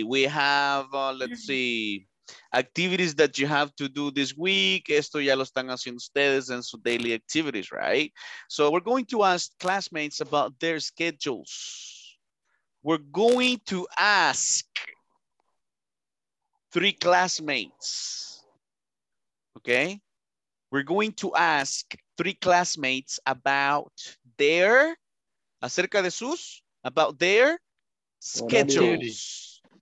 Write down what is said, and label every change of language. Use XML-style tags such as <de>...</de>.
<en>We have, let's see, activities that you have to do this week.</en> <es>Esto ya lo están haciendo ustedes en sus</es> <en>daily activities, right? So we're going to ask classmates about their schedules. We're going to ask three classmates, okay? We're going to ask three classmates about their,</en> <es>acerca de sus,</es> <en>about their schedules.</en>